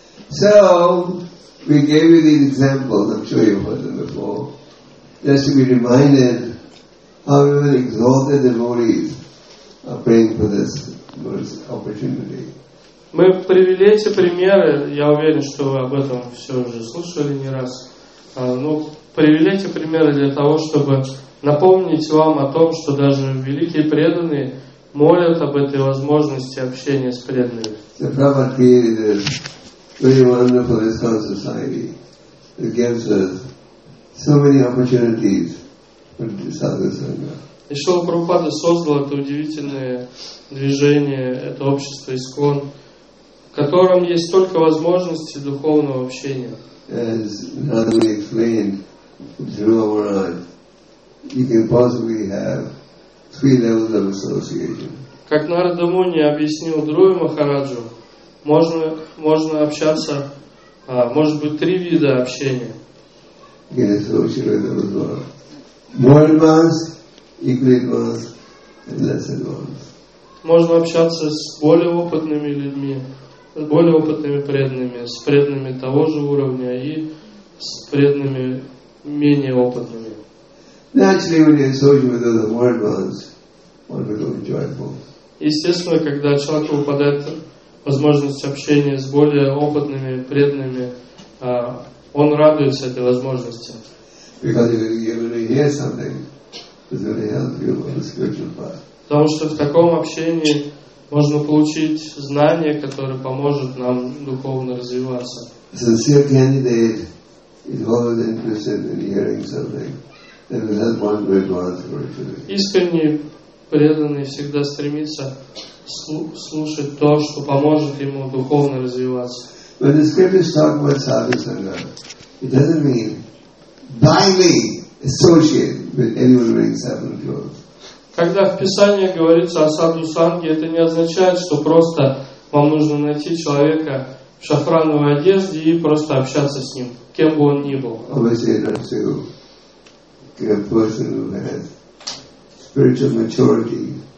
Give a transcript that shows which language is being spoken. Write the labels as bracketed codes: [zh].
[en] So, we gave you these examples, I'm sure you've heard them before, just to be reminded how even exalted devotees are praying for this opportunity. [ru] Мы привели эти примеры, я уверен, что вы об этом все уже слышали не раз. Ну, привели эти примеры для того, чтобы напомнить вам о том, что даже великие преданные молят об этой возможности общения с преданными. [en] The Prabhupada created this very wonderful ISKCON society that gives us so many opportunities for sadhusanga. [ru] И Шрила Прабхупада создал это удивительное движение, это общество ИСКОН, в котором есть столько возможностей духовного общения. [en] As Narada Muni explained, Dhruva Maharaj, you can possibly have three levels of association. [ru] Как Нарада Муни объяснил Друве Махараджу, можно общаться, может быть, три вида общения. [en] You can associate with them as well. More advanced, equally advanced, and less advanced. [ru] Можно общаться с более опытными людьми, с более опытными преданными, с преданными того же уровня и с преданными менее опытными. [en] Naturally, when you associate with the more advanced, one becomes joyful. [ru] Естественно, когда человеку выпадает возможность общения с более опытными преданными, он радуется этой возможности. [en] Because you're going to hear something that's going to help you on the spiritual path. [ru] Потому что в таком общении можно получить знание, которое поможет нам духовно развиваться. [en] A sincere candidate is always interested in hearing something that will help one to advance spiritually. [ru] Искренне преданный всегда стремится слушать то, что поможет ему духовно развиваться. [en] When the scriptures talk about sadhusanga, it doesn't mean blindly associate with anyone wearing seven clothes. [ru] Когда в Писании говорится о саду-санге, это не означает, что просто вам нужно найти человека в шафрановой одежде и просто общаться с ним, кем бы он ни был. [en] Obviously, it's a person who has spiritual maturity